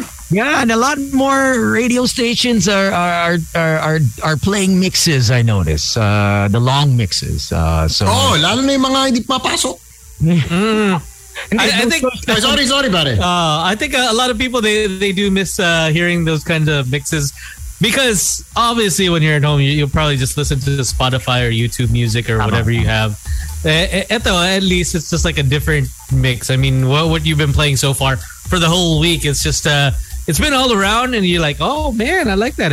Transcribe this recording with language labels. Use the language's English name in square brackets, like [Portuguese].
[English] Yeah, and a lot more radio stations are playing mixes, I notice. The long mixes. [Filipino] Lalo na yung mga hindi papasok. [English] I think a lot of people they do miss hearing those kinds of mixes. Because obviously when you're at home, you'll probably just listen to the Spotify or YouTube music or whatever you have. At least it's just like a different mix. I mean, what you've been playing so far for the whole week, it's just, it's been all around and you're like, oh man, I like that.